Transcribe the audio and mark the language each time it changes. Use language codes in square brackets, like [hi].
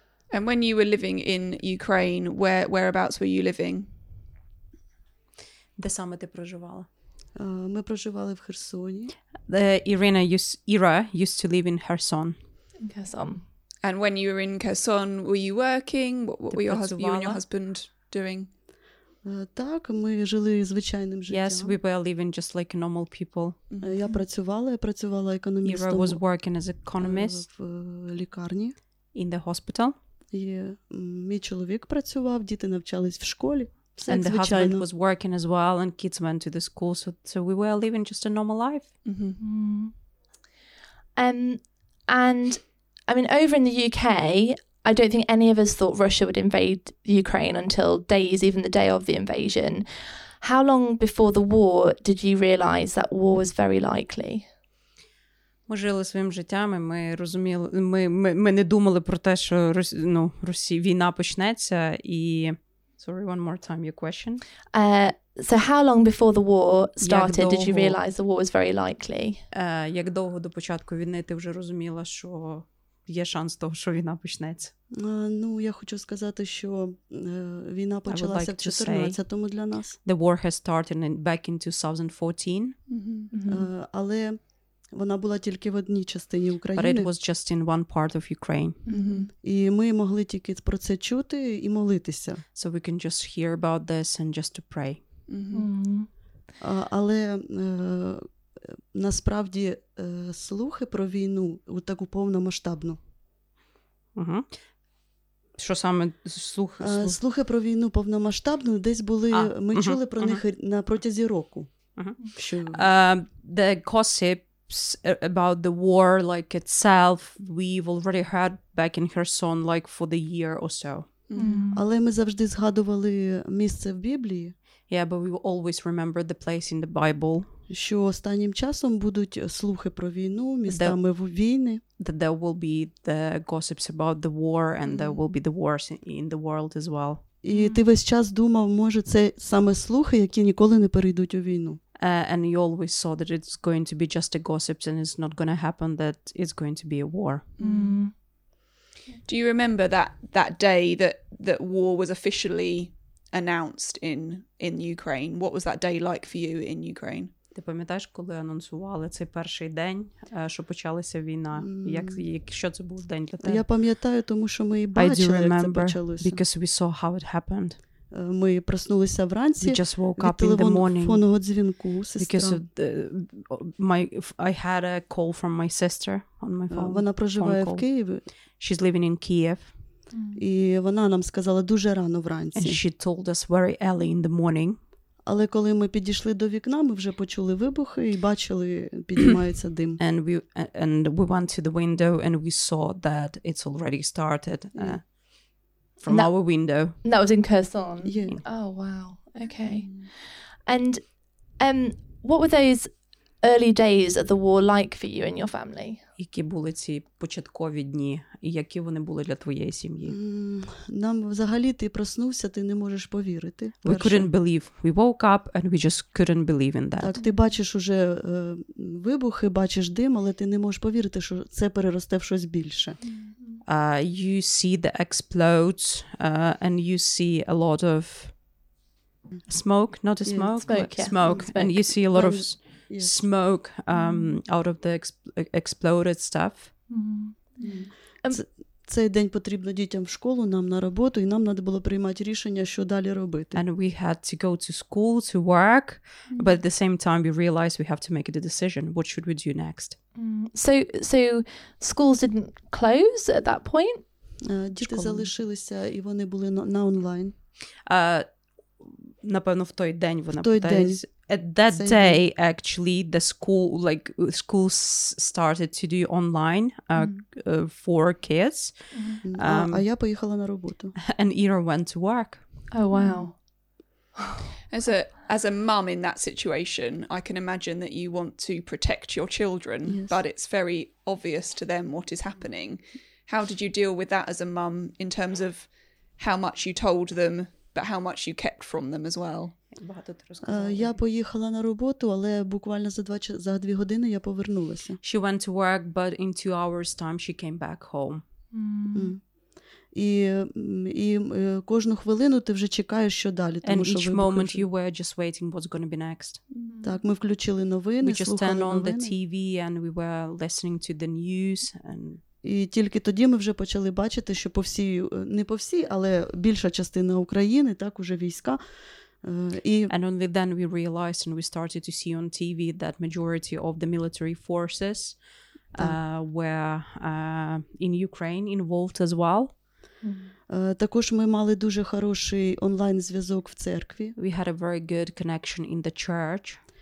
[en] And when you were living in Ukraine, whereabouts were you living? [uk] Де саме ти проживала? Ми проживали в Херсоні. [en] Ira used to live in Kherson. Kherson. And when you were in Kherson, were you working? What were you and your husband doing? [uk] Так, ми жили звичайним життям. [en] Yes, we were living just like normal people. [uk] Я працювала, економістом. [en] Ira was working as an economist. [uk] В лікарні. [en] In the hospital. [uk] Мій чоловік працював, діти навчались в школі. [en] And the husband was working as well, and kids went to the school, so we were living just a normal life. Mm-hmm. And I mean, over in the UK, I don't think any of us thought Russia would invade Ukraine until days, even the day of the invasion. How long before the war did you realize that war was very likely? [uk] Ми жили своїм життям, і ми розуміли, ми не думали про те, що Росія, війна почнеться, і... [en] Sorry, one more time, your question. So how long before the war started did you realize the war was very likely? [uk] Як довго до початку війни ти вже розуміла, що є шанс того, що війна почнеться? Ну, я хочу сказати, що війна почалася в 14-му для нас. [en] The war has started back in 2014. [uk] Але вона була тільки в одній частині України. [en] But it was just in one part of Ukraine. [uk] І ми могли тільки про це чути і молитися. [en] So we can just hear about this and just to pray. [uk] Але насправді слухи про війну от таку повномасштабну. Що саме слухи? Слухи про війну повномасштабну десь були, ми чули про них на протязі року. [en] The gossip about the war like itself we've already heard back in Kherson like for the year or so. [uk] Але ми завжди згадували місце в Біблії. [en] Yeah, but we always remember the place in the Bible. [uk] Що останнім часом будуть слухи про війну, містами війни. [en] That there will be the gossips about the war and there will be the wars in the world as well. [uk] І ти весь час думав, може це саме слухи, які ніколи не перейдуть у війну. [en] And you always saw that it's going to be just a gossip and it's not going to happen, that it's going to be a war. Do you remember that day that war was officially announced in Ukraine? What was that day like for you in Ukraine? [uk] Ти пам'ятаєш, коли анонсували цей перший день, що почалася війна? Що це був день для тебе? Я пам'ятаю, тому що ми бачили, як це почалося. [en] Because we saw how it happened. [uk] Ми проснулися вранці. [en] We just woke up in the morning. [uk] Від телефонного дзвінку, сестра. [en] Because of I had a call from my sister on my phone. [uk] Вона проживає в Києві. [en] She's living in Kiev. [uk] І вона нам сказала дуже рано вранці. [en] And she told us very early in the morning. [uk] Але коли ми підійшли до вікна, ми вже почули вибухи і бачили, піднімається дим. [en] And we went to the window and we saw that it's already started. from that, our window. That was in Kherson. Yeah. Oh, wow. Okay. And what were those early days of the war like for you and your family? [uk] Які були ці початкові дні, і які вони були для твоєї сім'ї? Нам взагалі, ти проснувся, ти не можеш повірити. [en] We couldn't believe. We woke up and we just couldn't believe in that. [uk] Так, ти бачиш уже вибухи, бачиш дим, але ти не можеш повірити, що це переросте в щось більше. [en] You see the explodes and you see a lot of smoke, not a smoke, smoke. And you see a lot of... smoke out of the exploded stuff. Mm-hmm. [uk] Цей день потрібно дітям в школу, нам на роботу, і нам треба було приймати рішення, що далі робити. [en] And we had to go to school, to work, mm-hmm. but at the same time we realized we have to make a decision. What should we do next? Mm-hmm. So schools didn't close at that point? [uk] Діти залишилися, і вони були на онлайн. Напевно, в той день вона питається... [en] At that Same day, thing. Actually, the school, like, schools started to do online for kids. [uk] Mm-hmm. А я поїхала на роботу. [en] And Ira went to work. Oh, wow. As a mum in that situation, I can imagine that you want to protect your children, yes. but it's very obvious to them what is happening. How did you deal with that as a mum in terms of how much you told them, but how much you kept from them as well? [uk] Я поїхала на роботу, але буквально за 2 години я повернулася. [en] She went to work, but in 2 hours time she came back home. [uk] І кожну хвилину ти вже чекаєш, що далі, тому що [en] each moment you were just waiting what's going to be next. [uk] Так, ми включили новини, слухали. [en] We just turned on the TV and we were listening to the news and [uk] І тільки тоді ми вже почали бачити, що по всій, не по всій, але більша частина України, так, уже війська. [en] And only then we realized and we started to see on TV that majority of the military forces were in Ukraine involved as well. [uk] Також ми мали дуже хороший онлайн-зв'язок в церкві. [en] We had a very good connection in the church.